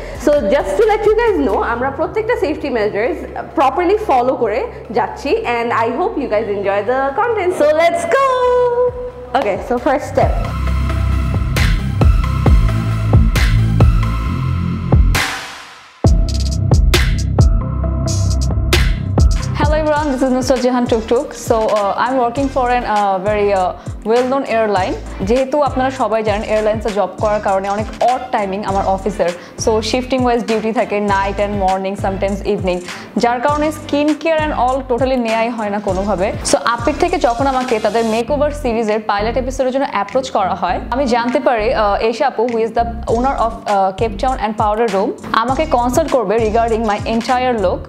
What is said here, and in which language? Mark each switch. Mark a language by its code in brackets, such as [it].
[en] so just to let you guys know [bn] আমরা প্রত্যেকটা [en] safety measures properly follow [bn] করে যাচ্ছি, [en] And I hope you guys enjoy the content, so let's go. Okay, so first step, this is Mr. Jehan Tuk Tuk. So I'm working for an well-known airline. [bn] যেহেতু আপনারা সবাই জানেন এয়ারলাইন্সে job করার কারণে অনেক odd timing আমার অফিসের, so shifting wise duty থাকে [en] night and morning sometimes evening, [bn] যার কারণে skin care and all totally নেয়াই হয় না কোনোভাবে। সো আপিট থেকে যখন আমাকে তাদের মেকওভার সিরিজের পাইলট এপিসোডের জন্য অ্যাপ্রোচ করা হয়, আমি জানতে পারি এশা আপু [en] who's the owner of Cape Town and powder room [bn] আমাকে কনসাল্ট করবে [en] Regarding my entire look.